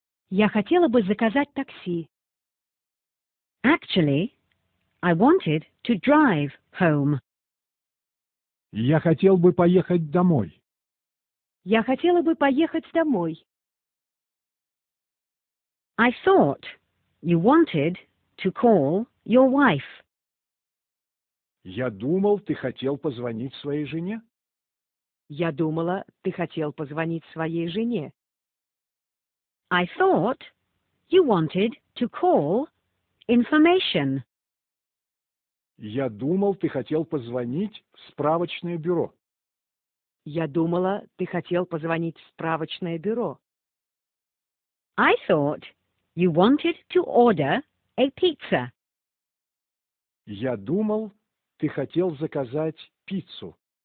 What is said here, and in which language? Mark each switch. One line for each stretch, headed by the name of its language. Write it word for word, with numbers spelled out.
Russian: Я хотела бы заказать такси.
English: Actually, I wanted to drive home.
Russian: Я хотел бы поехать домой. Я хотела бы поехать домой.
English: I thought you wanted to call your wife.
Russian: Я думал, ты хотел позвонить своей жене. Я думала, ты хотел позвонить своей жене.
English: I thought you wanted to call information.
Russian: Я думал, ты хотел позвонить в справочное бюро. Я думала, ты хотел позвонить в справочное бюро.
English: I thought you wanted to order a pizza.
Russian: Я думал, ты хотел заказать пиццу.